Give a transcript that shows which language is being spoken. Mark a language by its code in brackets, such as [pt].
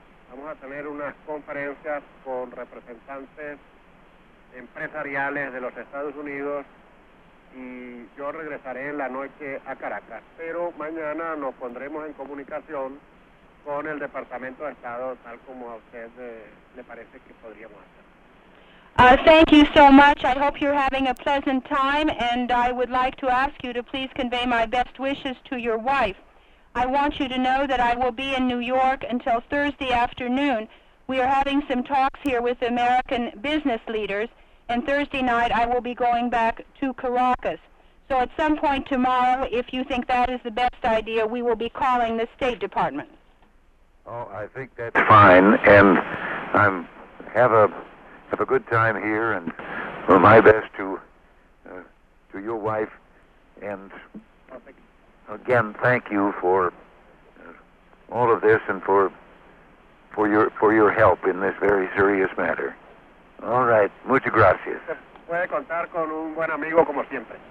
[es] Vamos a tener unas conferencias con representantes empresariales de los Estados Unidos y yo regresaré en la noche a Caracas, pero mañana nos pondremos en comunicación con el Departamento de Estado, tal como a usted le parece que podríamos hacer. [en] Thank you so much. I hope you're having a pleasant time, and I would like to ask you to please convey my best wishes to your wife. I want you to know that I will be in New York until Thursday afternoon. We are having some talks here with American business leaders, and Thursday night I will be going back to Caracas. So at some point tomorrow, if you think that is the best idea, we will be calling the State Department. Oh, I think that's fine, and I'm have a good time here, and for my best to your wife, and again, thank you for all of this and for your help in this very serious matter. All right. [es] Muchas gracias. Puede contar con un buen amigo como siempre.